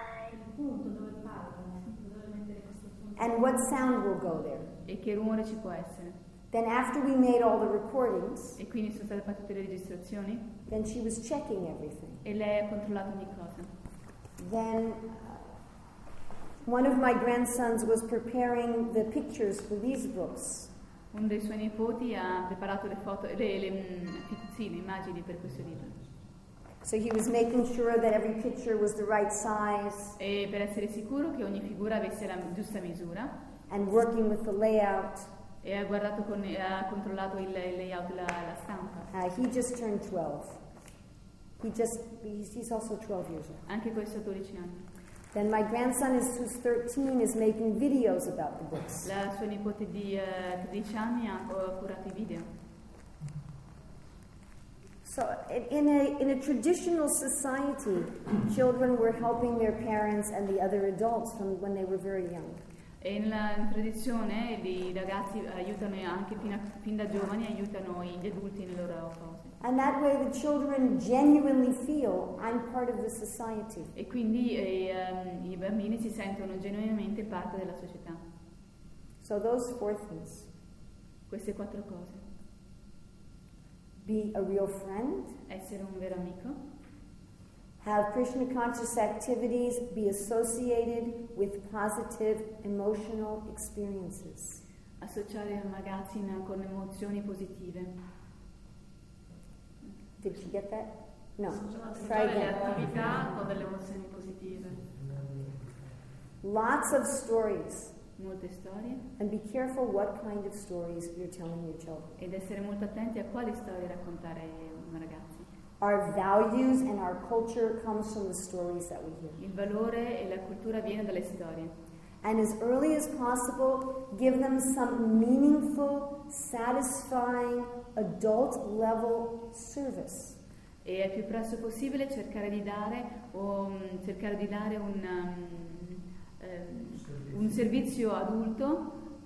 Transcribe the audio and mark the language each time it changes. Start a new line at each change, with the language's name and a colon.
Italian: il punto dove parlo. Dove mettere questo punto.
English: And what sound will go there.
Italian: E che rumore ci può essere.
English: Then after we made all the recordings,
Italian: e quindi sono state fatte tutte le registrazioni,
English: then she was checking everything.
Italian: E lei ha controllato ogni cosa.
English: Then one of my grandsons was preparing the pictures for these books.
Italian: Uno dei suoi nipoti ha preparato le foto, le immagini per questo libro.
English: So he was making sure that every picture was the right size.
Italian: E per essere sicuro che ogni figura avesse la giusta misura.
English: And working with the layout.
Italian: E ha guardato con, ha controllato il layout, la stampa.
English: He just turned 12. He's also 12 years old.
Italian: Anche questo ha 12 anni.
English: Then my grandson is who's 13 is making videos about the books.
Italian: La sua nipote di 13 anni ha curato i video.
English: So in a traditional society, children were helping their parents and the other adults from when they were very young.
Italian: E nella tradizione i ragazzi aiutano anche fin da giovani aiutano gli adulti nelle loro cose.
English: And that way the children genuinely feel I'm part of the society.
Italian: E quindi i bambini si sentono genuinamente parte della società.
English: So those four things.
Italian: Queste quattro cose.
English: Be a real friend.
Italian: Essere un vero amico.
English: Have Krishna conscious activities be associated with positive emotional experiences.
Italian: Associare un magazine con emozioni positive.
English: Did you get that? No.
Italian: Associare le attività con delle emozioni positive.
English: Lots of stories.
Italian: Molte storie.
English: And be careful what kind of stories you're telling your children.
Italian: Ed essere molto attenti a quali storie raccontare ai ragazzi.
English: Our values and our culture comes from the stories that we hear.
Italian: Il valore e la cultura viene dalle storie.
English: And as early as possible, give them some meaningful, satisfying, adult-level service.
Italian: E al più presto possibile cercare di dare un servizio adulto